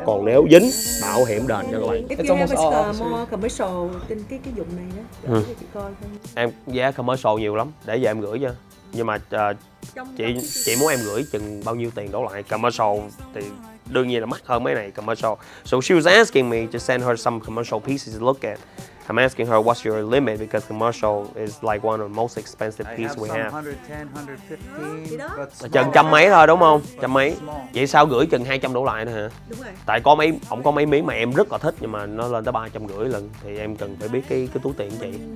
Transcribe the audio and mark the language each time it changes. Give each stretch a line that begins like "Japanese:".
Vietnamese: Còn nếu dính, bảo hiểm đền cho các bạn. Em có một commercial trên cái dụng này đó. Em giá commercial nhiều lắm, để giờ em gửi cho. Nhưng mà chị muốn em gửi chừng bao nhiêu tiền đổ lại commercial thì đương nhiên là mắc hơn mấy này commercial.
English: So she was asking me to send her some commercial pieces to look at. I'm asking her what's your limit because commercial is like one of the most expensive pieces we have.
Vietnamese: 110, 115, chừng trăm mấy thôi đúng không? Trăm mấy. Vậy sao gửi chừng 200 đổ lại nữa hả? Đúng rồi. Tại có mấy, ổng có mấy miếng mà em rất là thích nhưng mà nó lên tới 350 lần thì em cần phải biết cái túi tiền chị.